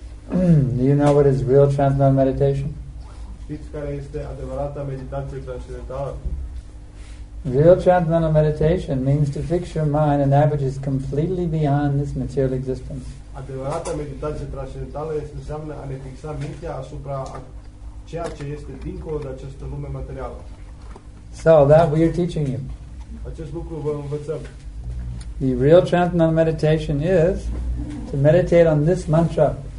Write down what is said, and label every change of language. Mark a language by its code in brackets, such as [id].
[en] Do you know what is real transcendental meditation? [ro] Știți care este adevărata meditație transcendentală? [en] Real transcendental meditation means to fix your mind in that which is completely beyond this material existence. [ro] Adevărata meditație transcendentală înseamnă a ne fixa mintea asupra ceea ce este dincolo de această lume materială. [en] So that we are teaching you. [ro] Acest lucru vă învățăm. [en] The real transcendental meditation is to meditate on this mantra.